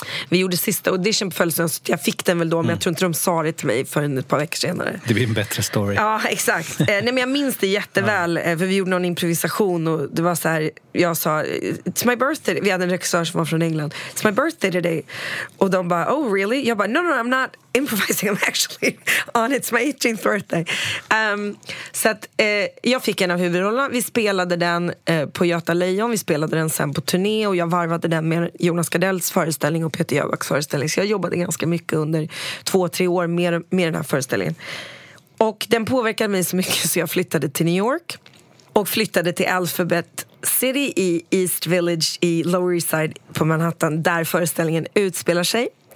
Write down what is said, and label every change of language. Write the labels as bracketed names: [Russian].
[Swedish] Vi gjorde sista audition på födelsedagen, så jag fick den väl då, men jag tror inte de sa det till mig förrän ett par veckor senare. Det blir en bättre story. Ja, exakt. Nej, men jag minns det jätteväl, för vi gjorde någon improvisation och det var så här, jag sa [English] it's my birthday. [Swedish] Vi hade en regissör som var från England. [English] It's my birthday today. [Swedish] Och de bara, [English] oh really? [Swedish] Jag bara, [English] no, I'm not improvising, I'm actually on it's my 18th birthday. [Swedish] Så att jag fick en av huvudrollerna. Vi spelade den på Göta Lejon. Vi spelade den sen på turné och jag varvade den med Jonas Gardells föreställning och Peter Jöbacks föreställning. Så jag jobbade ganska mycket under 2-3 år med den här föreställningen. Och den påverkade mig så mycket så jag flyttade till New York och flyttade till Alphabet City i East Village i Lower East Side på Manhattan, där föreställningen utspelar sig.